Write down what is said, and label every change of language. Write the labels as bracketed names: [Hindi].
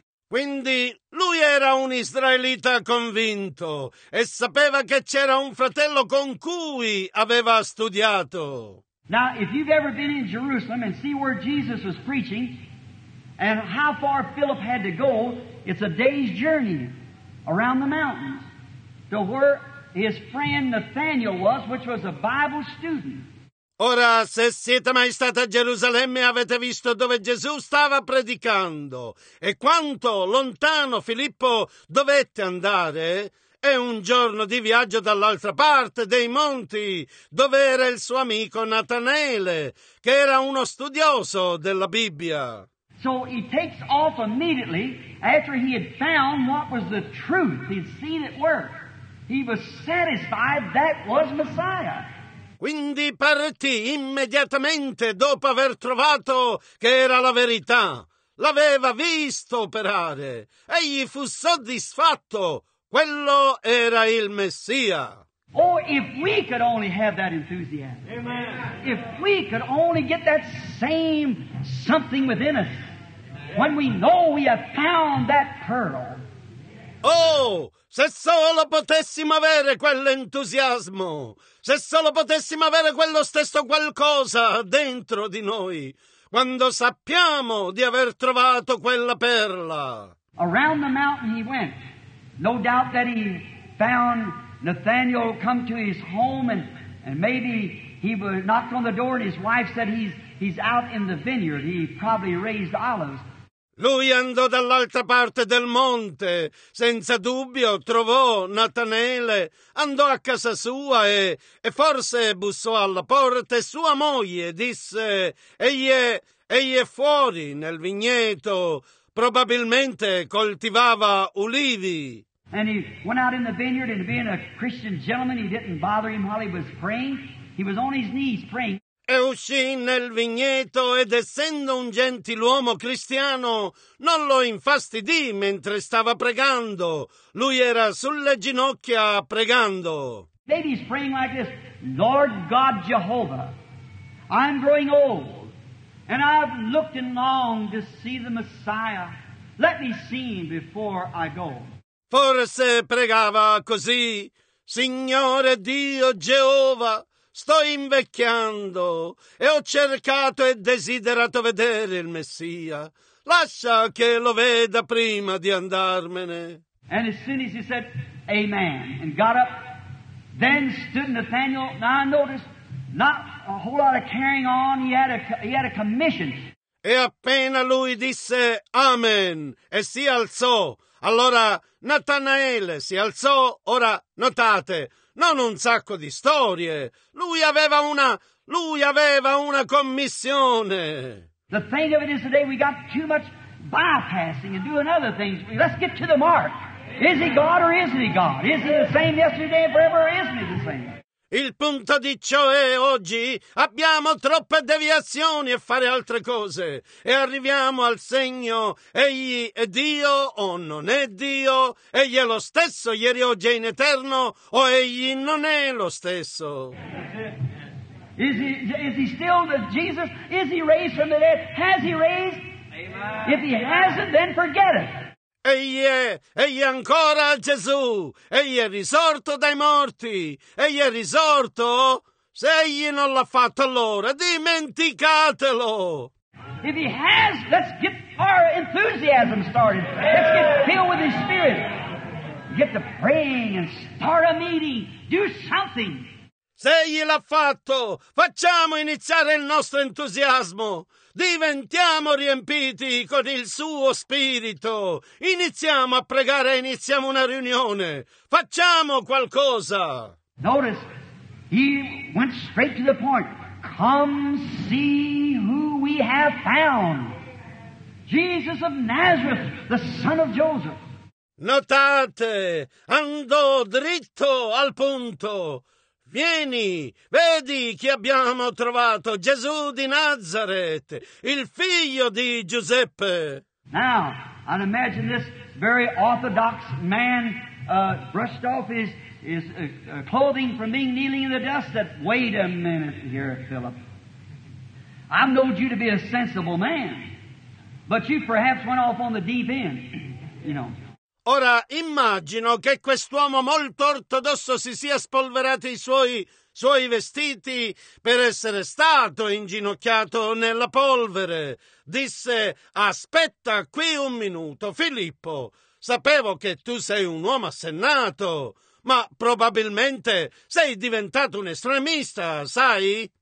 [Italian] Quindi lui era un israelita convinto e sapeva che c'era un fratello con cui aveva studiato. [English] Now, if you've ever been in Jerusalem and see where Jesus was preaching and how far Philip had to go, it's a day's journey around the mountains to where his friend Nathanael was, which was a Bible student. [Italian] Ora, se siete mai stati a Gerusalemme, avete visto dove Gesù stava predicando e quanto lontano Filippo dovette andare. È un giorno di viaggio dall'altra parte dei monti, dove era il suo amico Natanele, che era uno studioso della Bibbia. [English] So he takes off immediately after he had found what was the truth, he'd seen it work. He was satisfied that was Messiah. [Italian] Quindi partì immediatamente dopo aver trovato che era la verità. L'aveva visto operare. Egli fu soddisfatto. Quello era il Messia. [English] Oh, if we could only have that enthusiasm. Amen. If we could only get that same something within us. When we know we have found that pearl. [Italian] Oh, se solo potessimo avere quell'entusiasmo, se solo potessimo avere quello stesso qualcosa dentro di noi, quando sappiamo di aver trovato quella perla. [English] Around the mountain he went. No doubt that he found Nathanael come to his home, and maybe he knocked on the door and his wife said he's out in the vineyard. He probably raised olives. [Italian] Lui andò dall'altra parte del monte, senza dubbio trovò Natanele, andò a casa sua e forse bussò alla porta e sua moglie disse, egli è fuori nel vigneto, probabilmente coltivava ulivi. [English] And he went out in the vineyard and being a Christian gentleman he didn't bother him while he was praying, he was on his knees praying. [Italian] E uscì nel vigneto ed essendo un gentiluomo cristiano non lo infastidì mentre stava pregando. Lui era sulle ginocchia pregando. [English] Maybe he's praying like this. Lord God Jehovah, I'm growing old and I've looked and longed to see the Messiah. Let me see him before I go. [Italian] Forse pregava così. Signore Dio Geova, sto invecchiando e ho cercato e desiderato vedere il Messia. Lascia che lo veda prima di andarmene. [English] And as soon as he said, amen, and got up, then stood Nathanael. Now I noticed, not a whole lot of carrying on, he had a commission. [Italian] E appena lui disse Amen e si alzò, allora Natanaele si alzò. Ora notate, non un sacco di storie, lui aveva una commissione. [English] The thing of it is today we got too much bypassing and doing other things. Let's get to the mark. Is he God or isn't he God? Is he the same yesterday and forever or isn't he the same? [Italian] Il punto di ciò è oggi abbiamo troppe deviazioni a fare altre cose e arriviamo al segno, egli è Dio o non è Dio, egli è lo stesso ieri, oggi e in eterno o egli non è lo stesso. [English] Is he still the Jesus? Is he raised from the dead? Has he raised? Amen. If he hasn't, then forget it. [Italian] Egli è ancora Gesù, egli è risorto dai morti, egli è risorto. Se egli non l'ha fatto allora, dimenticatelo. [English] If he has, let's get our enthusiasm started. Let's get filled with his spirit. Get to praying and start a meeting. Do something. [Italian] Se egli l'ha fatto, facciamo iniziare il nostro entusiasmo. Diventiamo riempiti con il suo spirito. Iniziamo a pregare, iniziamo una riunione. Facciamo qualcosa. [English] Notice, he went straight to the point. Come see who we have found. Jesus of Nazareth, the son of Joseph. [Italian] Notate, andò dritto al punto. Vieni, vedi chi abbiamo trovato, Gesù di Nazareth, il figlio di Giuseppe. [English] Now, I'd imagine this very orthodox man brushed off his clothing from being kneeling in the dust. That, wait a minute here, Philip. I've known you to be a sensible man, but you perhaps went off on the deep end, you know. [Italian] Ora immagino che quest'uomo molto ortodosso si sia spolverato i suoi vestiti per essere stato inginocchiato nella polvere. Disse, aspetta qui un minuto, Filippo, sapevo che tu sei un uomo assennato, ma probabilmente sei diventato un estremista, sai?